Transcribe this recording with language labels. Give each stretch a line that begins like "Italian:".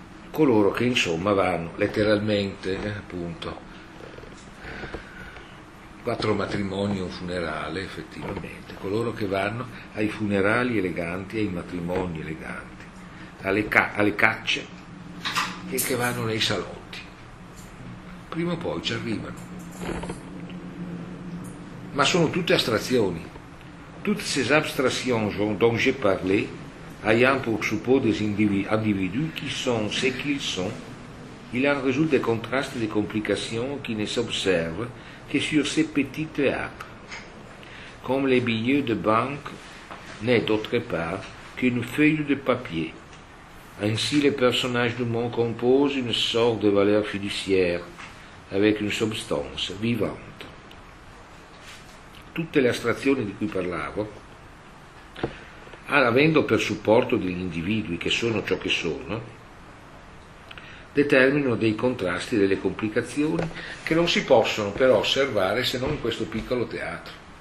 Italian: Coloro che insomma vanno letteralmente, appunto, quattro matrimoni e un funerale, effettivamente, coloro che vanno ai funerali eleganti, ai matrimoni eleganti, alle cacce e che vanno nei salotti, prima o poi ci arrivano. Ma sono tutte astrazioni.
French: Toutes ces abstractions dont j'ai parlé, ayant pour support des individus qui sont ce qu'ils sont, il en résulte des contrastes et des complications qui ne s'observent que sur ces petits théâtres, comme les billets de banque n'est d'autre part qu'une feuille de papier. Ainsi, les personnages du monde composent une sorte de valeur fiduciaire avec une substance vivante.
Italian: Tutte le astrazioni di cui parlavo, avendo per supporto degli individui che sono ciò che sono, determinano dei contrasti, delle complicazioni che non si possono però osservare se non in questo piccolo teatro.